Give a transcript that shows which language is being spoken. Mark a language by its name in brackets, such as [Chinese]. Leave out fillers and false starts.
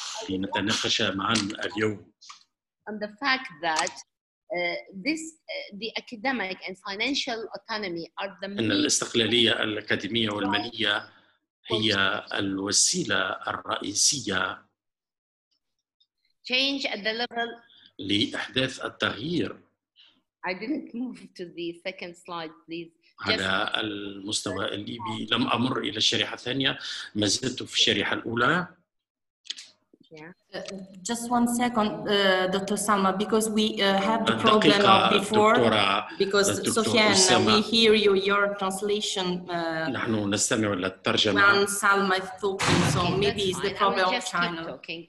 [English] And the fact that the academic and financial autonomy are the main. [Arabic] الاستقلالية الأكاديمية والمالية هي الوسيلة الرئيسية. [English] Change at the level. [Arabic] لإحداث التغيير. [English] I didn't move to the second slide, please. [Arabic] على المستوى الليبي لم أمر إلى الشريحة الثانية. ما زلت في الشريحة الأولى. [English] Yeah. Just one second, Dr. Salma, because we have the problem of before, Doctora, because Sofiane, we hear you, your translation, when Salma is talking, so okay, maybe it's the problem of China.